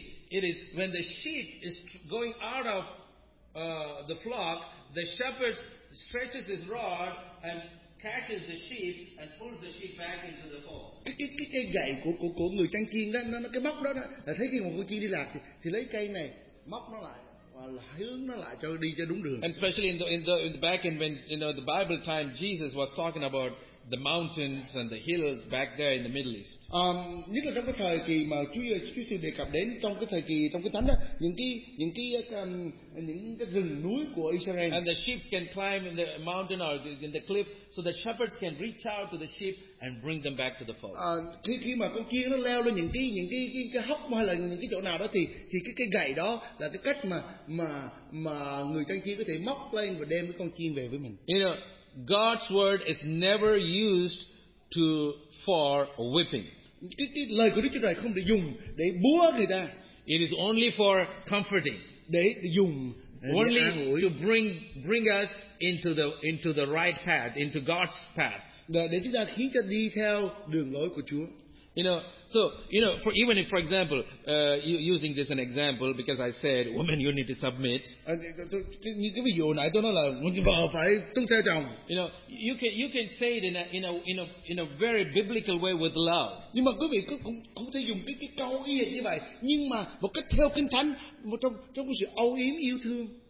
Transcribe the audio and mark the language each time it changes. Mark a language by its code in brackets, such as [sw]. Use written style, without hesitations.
[en] It is when the sheep is going out of the flock, the shepherd stretches his rod and catches the sheep and pulls the sheep back into the fold. [vi] Cái cây gậy của người chăn chiên đó nó cái móc đó đó là thấy khi một con chiên đi lạc thì lấy cây này móc nó lại. Hướng nó lại cho đi cho đúng đường. [en] And especially in the back end when the Bible time Jesus was talking about the mountains and the hills back there in the Middle East. [vi] Nhất là trong cái thời kỳ mà Chúa Giêsu đề cập đến trong cái thời kỳ trong cái thánh đó, những cái rừng núi của Israel. [en] And the sheep can climb in the mountain or in the cliff, so the shepherds can reach out to the sheep and bring them back to the fold. [vi] Khi mà con kiến nó leo lên những cái hốc hay là những cái chỗ nào đó thì cái gậy đó là cái cách mà người chăn chiên có thể móc lên và đem cái con chiên về với mình. [en] You know, God's word is never used for whipping. [vi] Cái lời của Đức Chúa Trời không được dùng để búa người ta. [en] It is only for comforting. [vi] Để dùng [en] only to bring us into the right path, into God's path. [vi] Để chúng ta khiến cho đi theo đường lối của Chúa. [en] You know, so you know, for even if, for example, using this as an example, because I said, woman, you need to submit. You can say it in a very biblical way with love. [vi] Nhưng mà quý vị cũng thể dùng cái câu ý như vậy, nhưng mà một cách theo Kinh Thánh, một trong sự âu yếm yêu thương.